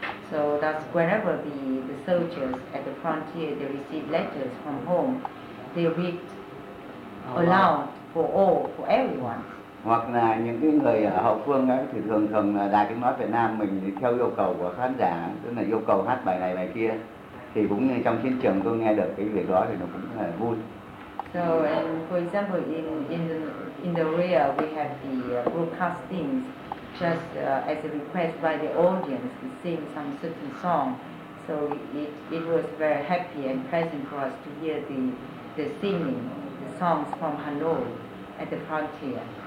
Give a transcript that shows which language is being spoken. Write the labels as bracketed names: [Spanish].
[English] So that's whenever the soldiers at the frontier, they receive letters from home, they read aloud for all, for everyone. [Vietnamese] Hoặc là những cái người ở hậu phương ấy, thì thường thường là Đài Tiếng Nói Việt Nam mình theo yêu cầu của khán giả, tức là yêu cầu hát bài này bài kia, thì cũng như trong chiến trường tôi nghe được cái việc đó thì nó cũng là vui. [English] So and for example in the rear we have the broadcastings. Just as a request by the audience to sing some certain song, so it was very happy and pleasant for us to hear the singing the songs from Hanoi at the frontier.